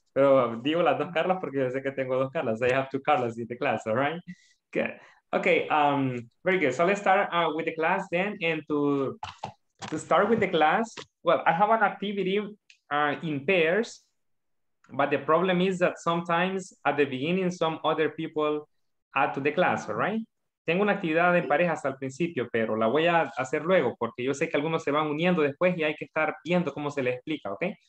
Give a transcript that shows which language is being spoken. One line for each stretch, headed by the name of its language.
Spanish: Pero digo las dos Carlas porque yo sé que tengo dos Carlas.
English: I have two Carlas in the class, all right? Good. Okay, very good. So let's start with the class then. And to start with the class, well, I have an activity in pairs. But the problem is that sometimes at the beginning, some other people add to the class, all right?
Spanish: Tengo una actividad de parejas al principio, pero la voy a hacer luego porque yo sé que algunos se van uniendo después y hay que estar viendo cómo se les explica, okay?